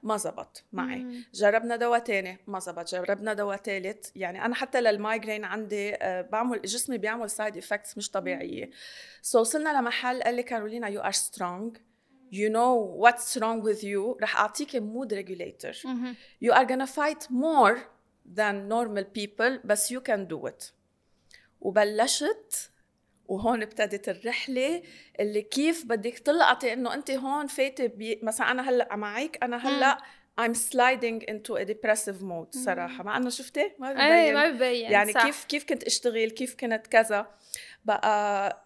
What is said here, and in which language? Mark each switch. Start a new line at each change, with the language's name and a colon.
Arabic: ما زبط معي. جربنا دواء تاني ما زبط. جربنا دواء تالت. يعني انا حتى للمايجرين عندي بعمل جسمي بيعمل سايد افكتس مش طبيعيه. سو وصلنا لمحل قال لي كارولينا
English: you are strong, you know what's wrong with you،
Arabic: رح أعطيك
English: mood regulator. You are gonna fight more than normal people but you can do it.
Arabic: وبلشت وهون ابتدت الرحلة اللي كيف بدك تلقطي انه انت هون فاتي مثلا انا هلأ معيك. انا هلأ
English: I'm sliding into a depressive mode
Arabic: صراحة، مع انه شفتي ما ببين. ما ببين. يعني صح. كيف كنت اشتغل، كيف كنت كذا بقى.